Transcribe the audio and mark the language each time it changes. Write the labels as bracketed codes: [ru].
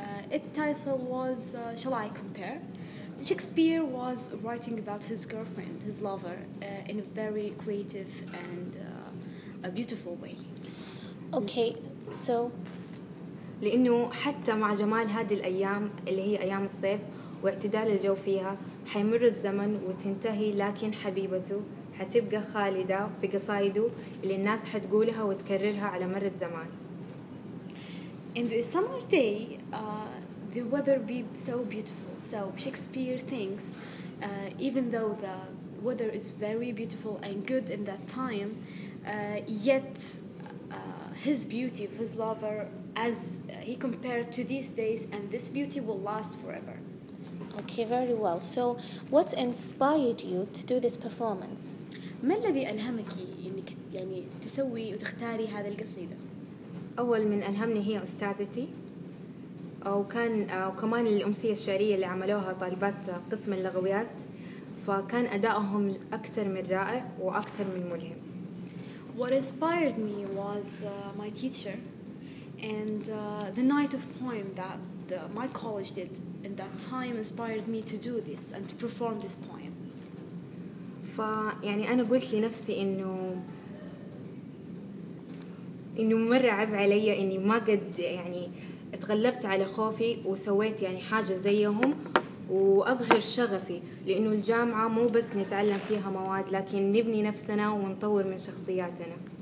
[en] Its title was Shall I Compare? Shakespeare was writing about his girlfriend, his lover, in a very creative and a beautiful way. Okay, so... [ar] لأنه حتى مع جمال هذه الأيام اللي هي أيام الصيف واعتدال الجو فيها حيمر الزمن وتنتهي لكن حبيبته حتبقى خالدة في قصائده اللي الناس حتقولها وتكررها على مر الزمان. [en] In the summer day, the weather be so beautiful. So Shakespeare thinks, even though the weather is very beautiful and good in that time, yet his beauty of his lover, as he compared to these days, and this beauty will last forever. Okay, very well. So what inspired you to do this performance? [ar] ما الذي ألهمك إنك يعني تسوي وتختاري هذه القصيدة؟ أول من ألهمني هي أستاذتي وكان وكمان الأمسية الشعرية اللي عملوها طالبات قسم اللغويات فكان أداؤهم أكثر من رائع وأكثر من ملهم. [en] What inspired me was my teacher and the night of poem that my college did in that time inspired me to do this and to perform this poem. [ar] فيعني أنا قلت لنفسي إنه مرة عب علي إني ما قد يعني اتغلبت على خوفي وسويت يعني حاجة زيهم وأظهر شغفي لأنه الجامعة مو بس نتعلم فيها مواد لكن نبني نفسنا ونطور من شخصياتنا.